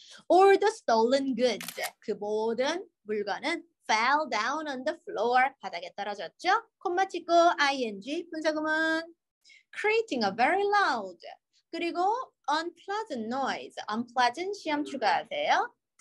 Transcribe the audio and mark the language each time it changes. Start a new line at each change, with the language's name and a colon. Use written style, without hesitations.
English: All the stolen goods,
Korean: 그 모든 물건은
English: fell down on the floor,
Korean: 바닥에 떨어졌죠? 콤마 찍고 ing, 분사구문.
English: Creating a very loud, 그리고 unpleasant noise, unpleasant
Korean: 시험 추가하세요.